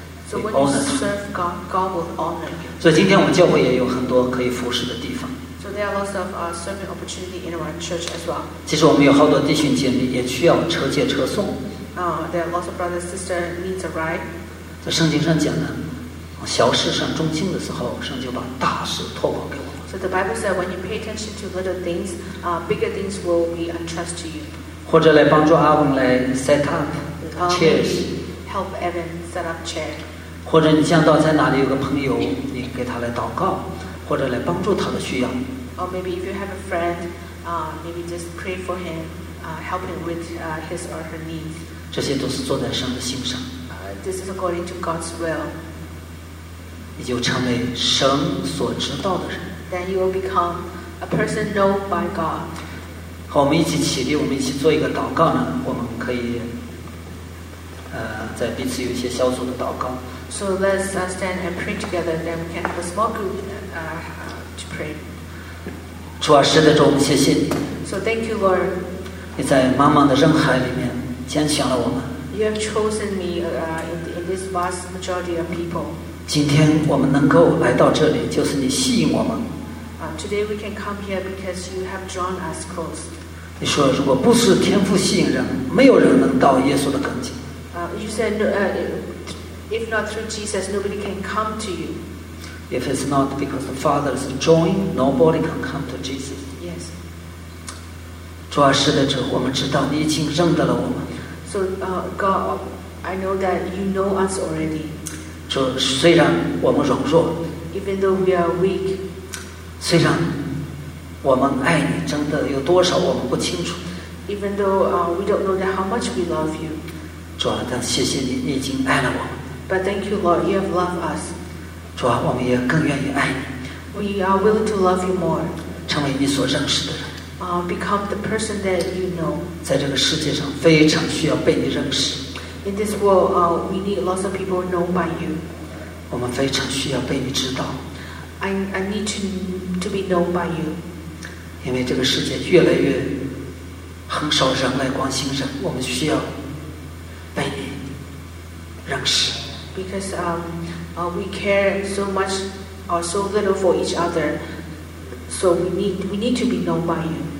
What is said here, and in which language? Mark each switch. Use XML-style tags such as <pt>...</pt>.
<en>So when you serve God, God will honor you.</en> <zh>所以今天我们教会也有很多可以服侍的地方。</zh> <en>So there are lots of serving opportunities in our church as well.</en> <zh>其实我们有好多弟兄姐妹也需要车接车送。</zh> <en>There are lots of brothers and sisters need a ride.</en> <zh>在圣经上讲呢，小事上忠心的时候，神就把大事托付给我们。</zh> <en>So the Bible said, when you pay attention to little things, bigger things will be entrusted to you.</en> <zh>或者来帮助阿文来</zh> <en>set up chairs. Help Evan set up chair.</en> <zh>或者你想到在哪里有个朋友，你给他来祷告，或者来帮助他的需要。</zh> <en>Or maybe if you have a friend, maybe just pray for him, help him with his or her needs.</en> <zh>这些都是坐在神的心上。</zh> <en>This is according to God's will.</en> <zh>你就成为神所知道的人。</zh> <en>Then you will become a person known by God.</en> <zh>好，我们一起起立，我们一起做一个祷告呢。我们可以，在彼此有一些小组的祷告。</zh> <en>So let's stand and pray together. Then we can have a small group to pray.</en> <zh>主啊，实在主，我们谢谢你。</zh> <en>So thank you, Lord.</en> <zh>你在茫茫的人海里面拣选了我们。</zh> <en>You have chosen me in this vast majority of people.</en> <zh>今天我们能够来到这里，就是你吸引我们。</zh> <en>Today we can come here because you have drawn us close.</en> <zh>你说如果不是天父吸引人，没有人能到耶稣的跟前。</zh> <en>You said, if not through Jesus, nobody can come to you. If it's not because the Father is joined, nobody can come to Jesus. Yes.</en> <zh>主啊，是的，主，我们知道你已经认得了我们。</zh> <en>So, God, I know that you know us already.</en> <zh>说虽然我们软弱</zh> <en>Even though we are weak,</en> <zh>虽然我们爱你真的有多少我们不清楚</zh> <en>Even though, we don't know that how much we love you,</en> <zh>主啊，但谢谢你，你已经爱了我们</zh> <en>But thank you, Lord, you have loved us.</en> <zh>主啊，我们也更愿意爱你</zh> <en>We are willing to love you more.</en> <zh>成为你所认识的人</zh> <en>Become the person that you know.</en> <zh>在这个世界上非常需要被你认识</zh> <en>In this world, we need lots of people known by you.</en> <zh>我们非常需要被你知道。</zh> <en>I need to be known by you.</en> <zh>因为这个世界越来越很少人来关心人，我们需要被你认识。</zh> <en>Because we care so much or so little for each other, so we need to be known by you.</en>